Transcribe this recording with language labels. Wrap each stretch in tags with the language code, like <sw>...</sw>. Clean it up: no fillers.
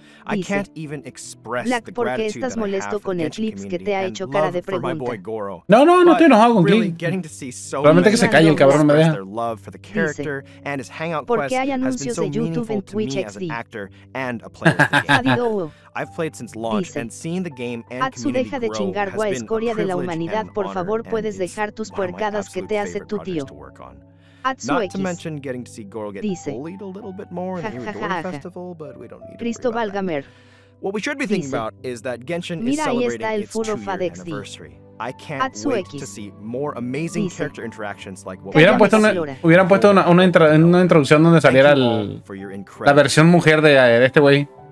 <en>I can't even express the gratitude that I have for the Genshin community and love for my boy Goro.</en> <es>No, no, no, estoy enojado con Clips.</es> <en>Really getting to see so many people express their love for the character and his hangout quest has been so meaningful to me as an actor and a player of the game. I've played since launch and seeing the game and community grow has been a privilege and an honor.</en> <es>Atsu, deja de chingar, por favor, puedes dejar tus puercadas que te hace tu tío.</es> <en>Not to mention getting to see Goro get bullied a little bit more in the Iridori Festival, but we don't need to worry about that. What we should be thinking about is that Genshin is celebrating its 2-year anniversary. I can't wait to see more amazing character interactions like what we're going to see.</en> <es>Hubieran puesto una introducción donde saliera la versión mujer de este güey.</es>